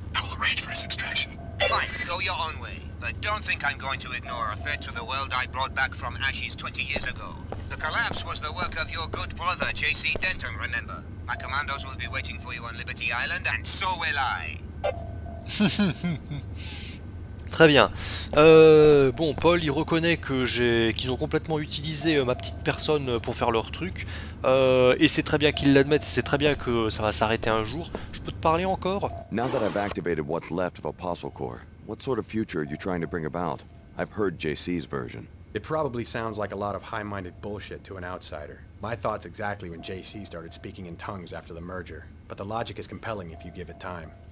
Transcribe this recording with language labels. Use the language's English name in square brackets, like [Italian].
[English] I will arrange for his extraction. Fine, go your own way. But don't think I'm going to ignore a threat to the world I brought back from ashes 20 years ago. The collapse was the work of your good brother, JC Denton, remember? My commandos will be waiting for you on Liberty Island, and so will I. [French] Très bien. Bon, Paul, il reconnaît que qu'ils ont complètement utilisé ma petite personne pour faire leur truc. Et c'est très bien qu'ils l'admettent, c'est très bien que ça va s'arrêter un jour. Je peux te parler encore? [English] Now that I've activated what's left of Apostle Corps, what sort of future are you trying to bring about? I've heard JC's version. It probably sounds like a lot of high-minded bullshit to an outsider. My thoughts exactly when JC started speaking in tongues after the merger. but the logic is compelling if you give it time.